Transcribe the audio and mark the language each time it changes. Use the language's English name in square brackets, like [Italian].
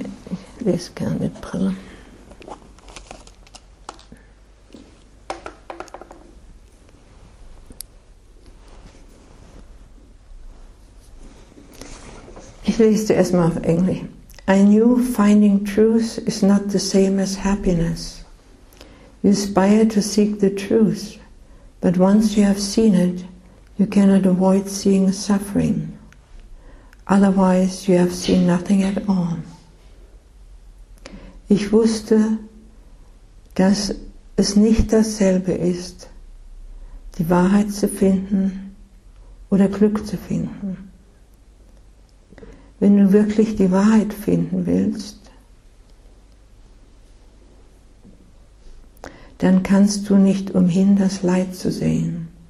[German] Ich lese gerne mit Brille. Ich lese zuerst mal auf Englisch. [English] I knew finding truth is not the same as happiness. You aspire to seek the truth, but once you have seen it, you cannot avoid seeing suffering. Otherwise, you have seen nothing at all. [German] Ich wusste, dass es nicht dasselbe ist, die Wahrheit zu finden oder Glück zu finden. Wenn du wirklich die Wahrheit finden willst, dann kannst du nicht umhin, das Leid zu sehen.